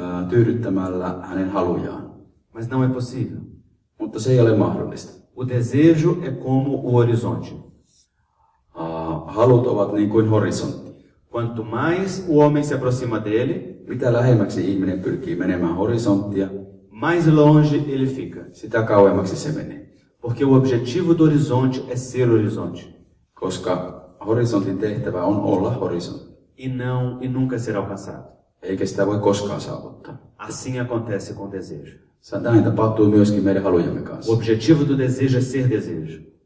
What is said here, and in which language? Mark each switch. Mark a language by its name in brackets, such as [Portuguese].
[Finnish] Tyydyttämällä hänen halujaan. [Portuguese] Mas não é possível. [Finnish] Mutta se ei ole mahdollista. [Portuguese] O desejo é como o horizonte. [Finnish] Halut ovat niin kuin horisontti. [Portuguese] Quanto mais o homem se aproxima dele, [Finnish] mitä lähemmäksi ihminen pyrkii menemään horisonttia, [Portuguese] mais longe ele fica. [Finnish] Sitä kauemmaksi se menee. [Portuguese] Porque o objetivo do horizonte é ser horizonte. [Finnish] Koska horisontin tehtävä on olla horisontti. [Portuguese] E nunca ser alcançado. [Finnish] Eikä sitä voi koskaan saavuttaa. [Portuguese] Assim acontece com o desejo. [Finnish] Näin tapahtuu myöskin meidän halujemme kanssa. [Portuguese] O objetivo do desejo é ser desejo.